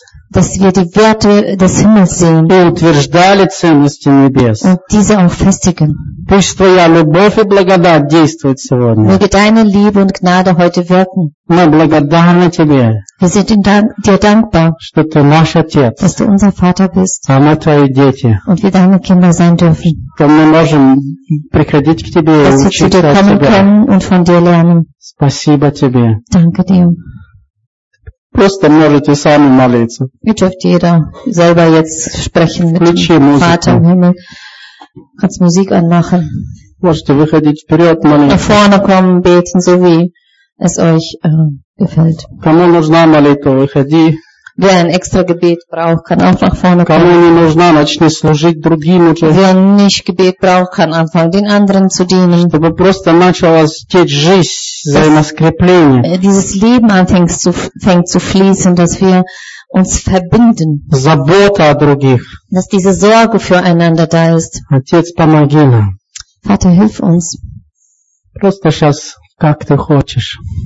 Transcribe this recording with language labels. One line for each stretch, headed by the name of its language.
German: Dass wir die Werte des Himmels sehen. Und diese auch festigen.
Russian: Пусть твоя любовь и благодать действует сегодня.
German: Möge deine Liebe und Gnade heute wirken.
Russian: Мы благодарны тебе.
German: Wir sind dir dankbar.
Russian: Что ты наш отец.
German: Dass du unser Vater bist.
Russian: А мы твои дети.
German: Und wir deine Kinder sein dürfen.
Russian: То мы можем приходить к тебе и учиться от тебя.
German: Dass wir zu dir kommen können und von dir lernen.
Russian: Спасибо тебе.
German: Danke dir.
Russian: Просто можете сами молиться.
German: Ihr dürft jeder selber jetzt sprechen mit dem Vater im Himmel. Kannst Musik anmachen.
Russian: Можете выходить вперед, молиться.
German: Nach vorne kommen, beten, so wie es euch gefällt.
Russian: Кому нужна молитва, выходи.
German: Wer ein extra Gebet braucht, kann auch nach vorne kommen.
Russian: Кому не нужна, начни служить другим уже.
German: Wer nicht Gebet braucht, kann anfangen, den anderen zu dienen.
Russian: Чтобы просто началась течь жизнь, взаимоскрепление.
German: Dieses Leben fängt zu fließen, dass wir uns verbinden.
Russian: Забота о других.
German: Dass diese Sorge füreinander da ist.
Russian: Отец, помоги нам.
German: Vater, hilf uns.
Russian: Просто сейчас, как ты хочешь.